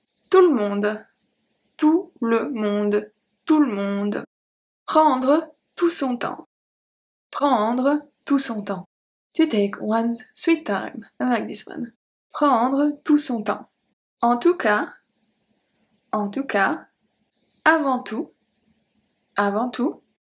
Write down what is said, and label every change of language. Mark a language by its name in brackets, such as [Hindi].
[French] Tout le monde, tout le monde, tout le monde. Prendre tout son temps, prendre tout son temps. [English] To take one sweet time, I like this one. [French] Prendre tout son temps. En tout cas, en tout cas, avant tout, avant tout.